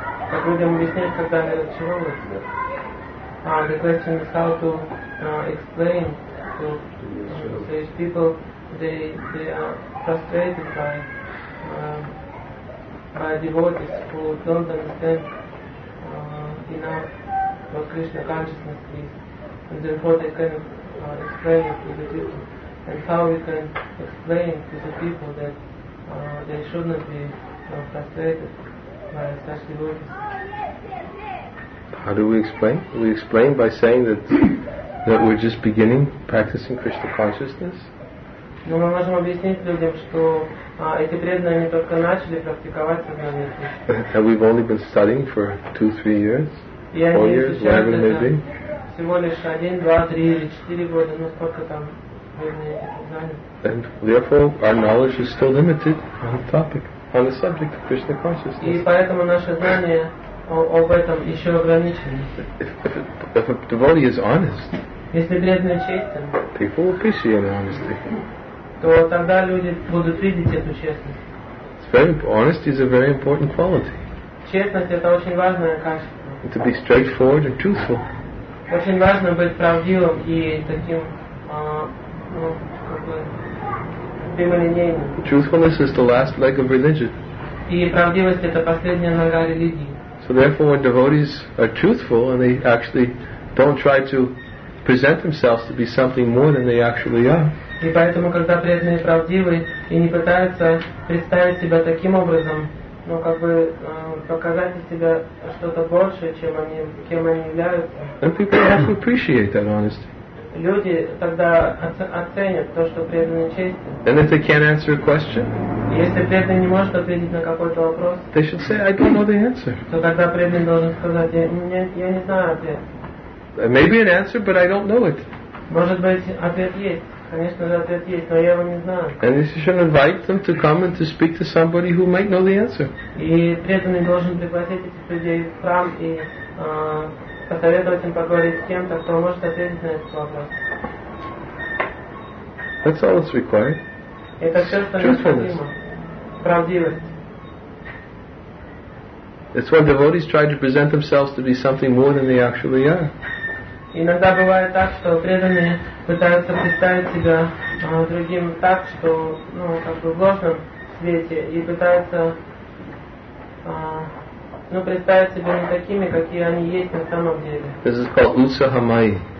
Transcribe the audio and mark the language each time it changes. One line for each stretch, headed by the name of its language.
Russian: как людям объяснять, когда говорят, чего вы?
English: The question is how to explain to these people they are frustrated by devotees who don't understand enough what Krishna consciousness is. And therefore they can explain it to the people. And how we can explain to the people that they should not be frustrated by such devotees. How do we explain? We explain by saying that we're just beginning practicing Krishna consciousness.
Russian: Ну, мы можем объяснить людям, что эти преданные они только начали практиковать сознание Кришны.
English: And we've only been studying for 2-3 years. Four years, whatever it may be.
Russian: Всего лишь 1, 2, 3 или 4 года, ну сколько там преданные знания.
English: And therefore, our knowledge is still limited on the topic, on the subject of Krishna consciousness.
Russian: И поэтому наше знание об этом еще ограничены.
English: If a devotee is honest,
Russian: если преданный честен,
English: people will appreciate honesty.
Russian: То тогда люди будут видеть эту честность.
English: Honesty is a very important quality.
Russian: Честность это очень важное качество.
English: To be straightforward and truthful.
Russian: Очень важно быть правдивым и таким, ну, как бы, прямолинейным.
English: Truthfulness is the last leg of religion.
Russian: И правдивость — это последняя нога религии.
English: So therefore, when devotees are truthful and they actually don't try to present themselves to be something more than they actually are.
Russian: И поэтому, когда преданные правдивы и не пытаются представить себя таким образом, ну как бы показать из себя что-то большее, чем они, кем они являются.
English: And people have to appreciate that honesty.
Russian: Люди тогда оценят то, что преданные честны.
English: And if they can't answer a question,
Russian: если преданный не может ответить на какой-то вопрос,
English: they should say, I don't know the answer.
Russian: То тогда преданный должен сказать, я не знаю ответ.
English: Maybe an answer, but I don't know it.
Russian: Может быть, ответ есть. Конечно же, ответ есть, но я его не знаю.
English: And you should invite them to come and to speak to somebody who might know the answer.
Russian: И преданный должен пригласить этих людей в храм и посоветовать им поговорить с кем-то, кто может ответить на этот вопрос.
English: That's all that's required.
Russian: Это все, что необходимо. Правдивость.
English: It's when devotees try to present themselves to be something more than they actually are.
Russian: Иногда бывает так, что преданные пытаются представить себя другим так, что, ну, как бы в ложном свете, и пытаются, ну, представить себя не такими, какие они есть на самом деле.
English: This is called Utsahamayi.